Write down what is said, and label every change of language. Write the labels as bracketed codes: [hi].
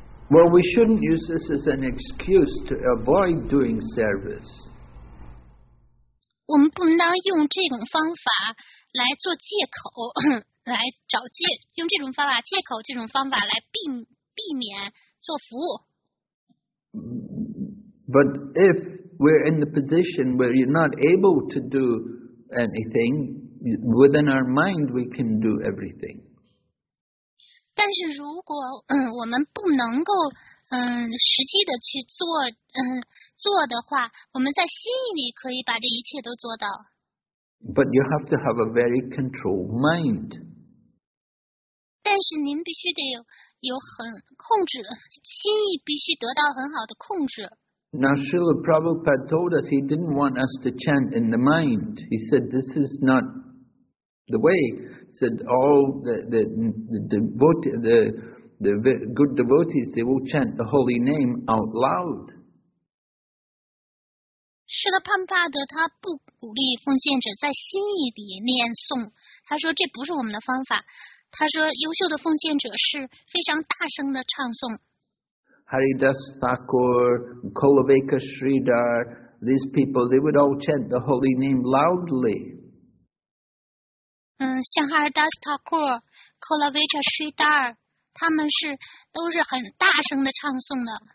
[en] Well, we shouldn't use this as an excuse to avoid doing service. [zh] 我们不能用这种方法来做借口，来找借，用这种方法借口这种方法来避免做服务。 [en] But if we're in the position where you're not able to do anything, within our mind we can do everything. [zh] 但是如果我们不能够实际的去做的话，我们在心里可以把这一切都做到。 [en] But you have to have a very controlled mind. [zh] 但是您必须得有很控制，心意必须得到很好的控制。 [en] Now Srila Prabhupada told us he didn't want us to chant in the mind. He said this is not the way. He said all the good devotees, they will chant the holy name out loud. [zh] Srila Prabhupada 他不鼓励奉献者在心意里念诵，他说这不是我们的方法。他说优秀的奉献者是非常大声的唱诵。 [en] Haridas Thakur, Kolaveka Sridhar, these people, they would all chant the holy name loudly. Like Haridas Thakur, Kolaveka Sridhar, they are very loud to sing.